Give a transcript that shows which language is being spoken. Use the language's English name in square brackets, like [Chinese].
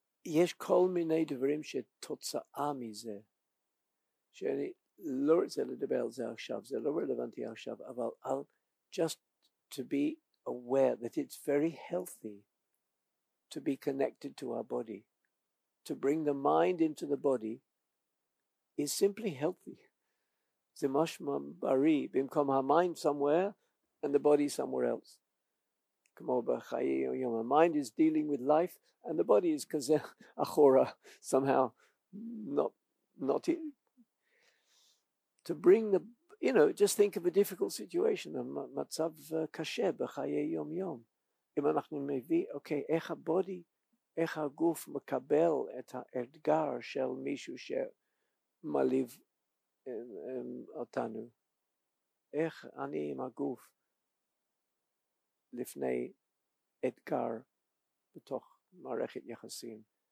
[Hebrew] יש כל מיני דברים שתוצאה מזה, שאני לא רוצה לדבר על זה עכשיו, זה לא רלוונטי עכשיו, אבל [English] I'll just to be aware that it's very healthy to be connected to our body. To bring the mind into the body is simply healthy. [Hebrew] זה משמע בריא, במקום המיינד somewhere and the body somewhere else. כמו בחיי, [English] your mind is dealing with life and the body is [Hebrew] כזה אחורה, [English] somehow not it. To bring the, you know, just think of a difficult situation, [Hebrew] מצב קשה בחיי יום יום. אם אנחנו מביא, okay, איך הבודי, איך הגוף מקבל את האתגר של מישהו שמליב אותנו. איך אני עם הגוף לפני אתגר בתוך מערכת יחסים.